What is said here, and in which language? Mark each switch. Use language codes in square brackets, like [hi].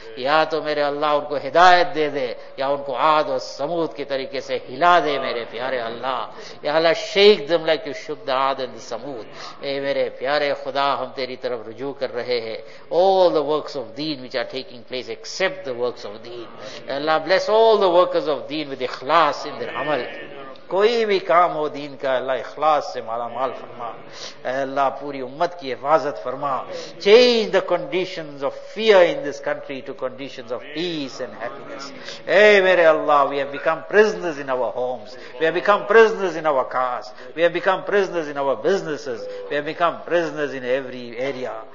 [ur] یا تو میرے اللہ ان کو ہدایت دے دے, یا ان کو عاد و ثمود کے طریقے سے ہلا دے میرے پیارے اللہ. یا اللہ [en] Shake them like you shook the Aad and Thamud. [ur] اے میرے پیارے خدا, ہم تیری طرف رجوع کر رہے ہیں. [en] All the works of deen which are taking place, accept the works of deen. Allah bless all the workers of deen with اخلاص in their عمل. [ur] کوئی بھی کام ہو دین کا, اللہ اخلاص سے مالا مال فرما. اے اللہ پوری امت کی حفاظت فرما. [en] Change the conditions of fear in this country to conditions of peace and happiness. [ur] اے میرے اللہ, [en] we have become prisoners in our homes, we have become prisoners in our cars, we have become prisoners in our businesses, we have become prisoners in every area.